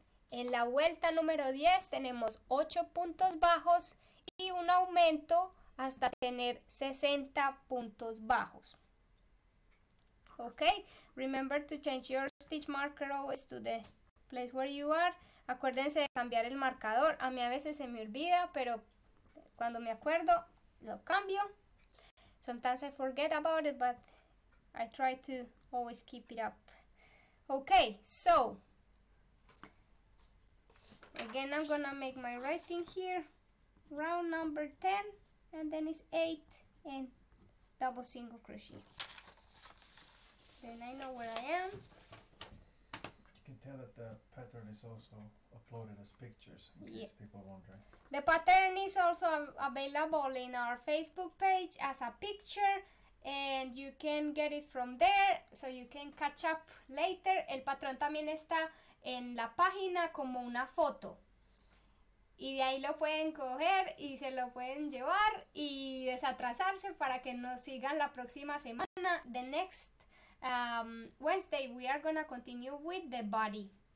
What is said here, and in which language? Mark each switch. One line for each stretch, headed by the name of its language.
Spanish: En la vuelta número 10 tenemos 8 puntos bajos y un aumento hasta tener 60 puntos bajos.
English: Okay, remember to change your stitch marker always to the place where you are.
Spanish: Acuérdense de cambiar el marcador. A mí a veces se me olvida, pero cuando me acuerdo, lo cambio.
English: Sometimes I forget about it, but I try to always keep it up. Okay, so again, I'm gonna make my writing here. Round number 10, and then it's 8 and double single crochet. Then I know where I am. You can tell that the pattern is also uploaded as pictures, in case people are wondering. The pattern is also available in our Facebook page as a picture, and you can get it from there, so you can catch up later.
Spanish: El patrón también está en la página como una foto. Y de ahí lo pueden coger y se lo pueden llevar y desatrasarse para que nos sigan la próxima semana, the next Wednesday.
English: We are gonna continue with the body.